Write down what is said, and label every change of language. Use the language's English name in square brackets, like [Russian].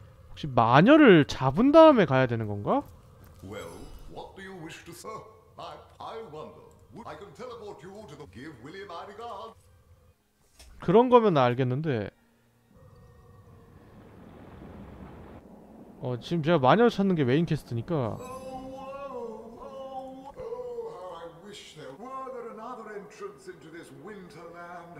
[Korean] 혹시 마녀를 잡은 다음에 가야 되는 건가? [English] Well, what do you wish to say? I wonder. I can teleport you to the give William my regard. [Korean] 그런 거면 알겠는데. 어, 지금 제가 마녀 찾는 게 메인 퀘스트니까. [English] Oh, how I wish there were another entrance into this winterland.